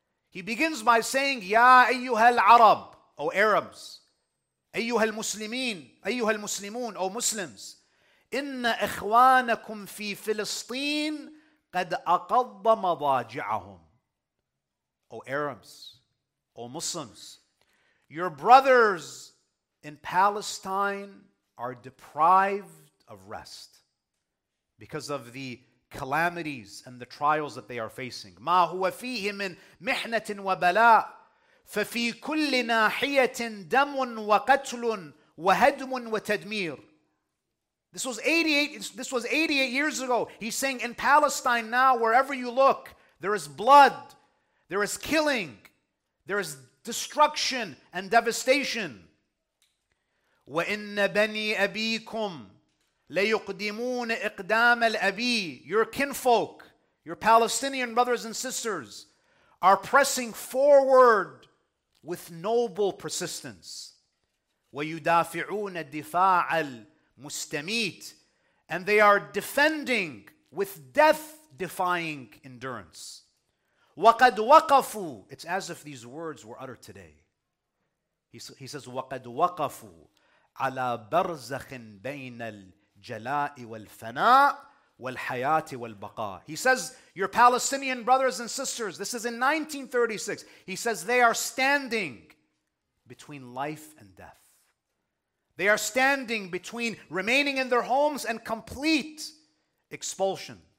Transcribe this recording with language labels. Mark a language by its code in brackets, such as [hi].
[en] He begins by saying, [ar] Ya ayyuhal Arab, [en] O Arabs, [ar] ayyuhal Muslimin, ayyuhal Muslimun, [en] O Muslims, [ar] inna ikhwanakum fi Filistin qad aqadda madaji'ahum. [en] O Arabs, O Muslims, your brothers in Palestine are deprived of rest because of the calamities and the trials that they are facing. [ar] ما هو فيه من محنة وبلاء ففي كل ناحية دم وقتل وهدم وتدمير. [en] This was 88 years ago. He's saying in Palestine now, wherever you look, there is blood, there is killing, there is destruction and devastation. [ar] وَإِنَّ بَنِي أَبِيكُمْ لَيُقْدِمُونَ إِقْدَامَ الْأَبِي. [en] Your kinfolk, your Palestinian brothers and sisters, are pressing forward with noble persistence. [ar] وَيُدَافِعُونَ الدِّفَاعَ الْمُسْتَمِيتِ. [en] And they are defending with death-defying endurance. [ar] وَقَدْ وَقَفُوا. [en] It's as if these words were uttered today. He says, [ar] وَقَدْ وَقَفُوا عَلَى بَرْزَخٍ بَيْنَ الْجَلَاءِ وَالْفَنَاءِ وَالْحَيَاةِ وَالْبَقَاءِ. [en] He says, your Palestinian brothers and sisters, this is in 1936. He says, they are standing between life and death. They are standing between remaining in their homes and complete expulsion.